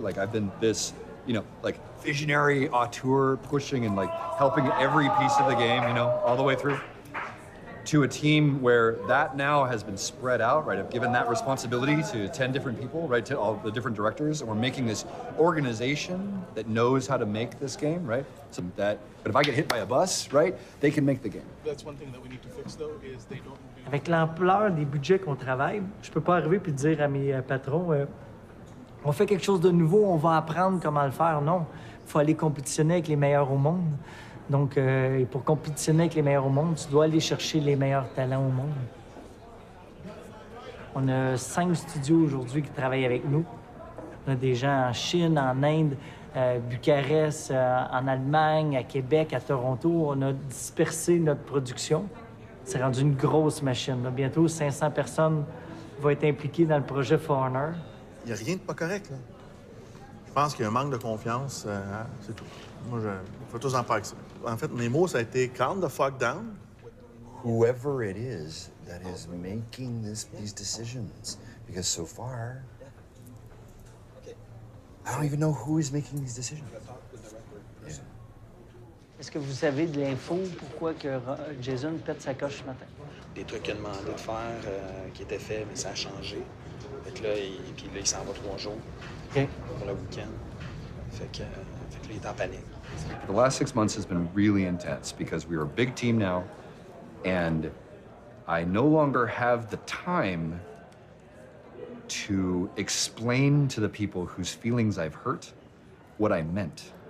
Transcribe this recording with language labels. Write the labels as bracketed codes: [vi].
[en] Like, I've been this, you know, like visionary auteur pushing and like helping every piece of the game, you know, all the way through, to a team where that now has been spread out, right? I've given that responsibility to 10 different people, right? To all the different directors. And we're making this organization that knows how to make this game, right? So that, but if I get hit by a bus, right? They can make the game. That's one thing that we need to fix though, is they don't. [fr] Avec l'ampleur des budgets qu'on travaille, je peux pas arriver puis dire à mes patrons, on fait quelque chose de nouveau, on va apprendre comment le faire. Non, faut aller compétitionner avec les meilleurs au monde. Donc, pour compétitionner avec les meilleurs au monde, tu dois aller chercher les meilleurs talents au monde. On a 5 studios aujourd'hui qui travaillent avec nous. On a des gens en Chine, en Inde, Bucarest, en Allemagne, à Québec, à Toronto. On a dispersé notre production. C'est rendu une grosse machine. Là, bientôt, 500 personnes vont être impliquées dans le projet Foreigner. Il n'y a rien de pas correct, là. Je pense qu'il y a un manque de confiance, c'est tout. Moi, je fais tous en faire avec ça. En fait, mes mots, ça a été « [en] calm the fuck down ». whoever it is that is making these decisions. Because so far, I don't even know who is making these decisions. [fr] Est-ce que vous avez de l'info pourquoi que Jason pète sa coche ce matin? Des trucs qu'il a demandé de faire, qui étaient faits, mais ça a changé. Fait que là, il s'en va trois jours pour le week-end. Fait que là, il est en panique. [en] The last 6 months has been really intense because we are a big team now, and I no longer have the time to explain to the people whose feelings I've hurt what I meant.